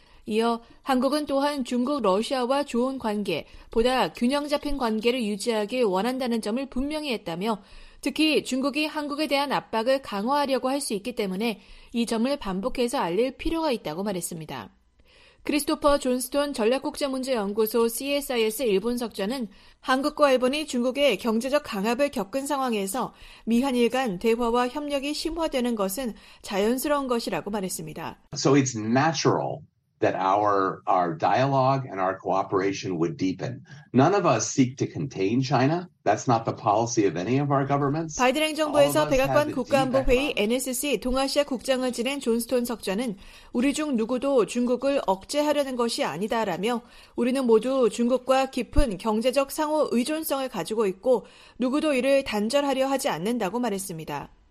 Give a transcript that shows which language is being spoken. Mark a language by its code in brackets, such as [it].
[ko] 이어 한국은 또한 중국, 러시아와 좋은 관계, 보다 균형 잡힌 관계를 유지하길 원한다는 점을 분명히 했다며 특히 중국이 한국에 대한 압박을 강화하려고 할 수 있기 때문에 이 점을 반복해서 알릴 필요가 있다고 말했습니다. 크리스토퍼 존스톤 전략국제문제연구소 CSIS 일본석좌는 한국과 일본이 중국의 경제적 강압을 겪은 상황에서 미한일 간 대화와 협력이 심화되는 것은 자연스러운 것이라고 말했습니다. [en] So it's natural that our dialogue and our cooperation would deepen. None of us seek to contain China. That's not the policy of any of our governments. [ko] 바이든 행정부에서 백악관 국가안보회의 NSC 동아시아 국장을 지낸 존스톤 석좌는 우리 중 누구도 중국을 억제하려는 것이 아니다라며 우리는 모두 중국과 깊은 경제적 상호 의존성을 가지고 있고 누구도 이를 단절하려 하지 않는다고 말했습니다.